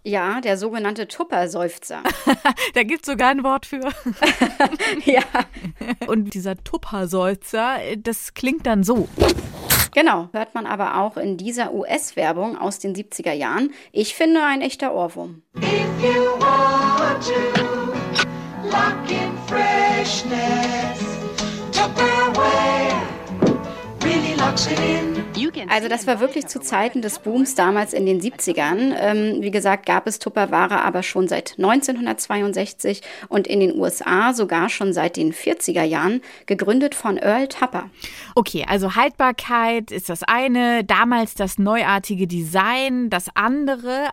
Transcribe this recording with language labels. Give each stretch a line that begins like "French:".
German: Ja, der sogenannte Tupper-Seufzer. Da gibt es sogar ein Wort für. Ja. Und dieser Tupper-Seufzer, das klingt dann so. Genau, hört man aber auch in dieser US-Werbung aus den 70er Jahren. Ich finde ein echter Ohrwurm.
English: If you want to lock in freshness, Tupperware really locks it in.
German: Also das war wirklich zu Zeiten des Booms damals in den 70ern. Wie gesagt, gab es Tupperware aber schon seit 1962 und in den USA sogar schon seit den 40er Jahren, gegründet von Earl Tupper. Okay, also Haltbarkeit ist das eine, damals das neuartige Design, das andere.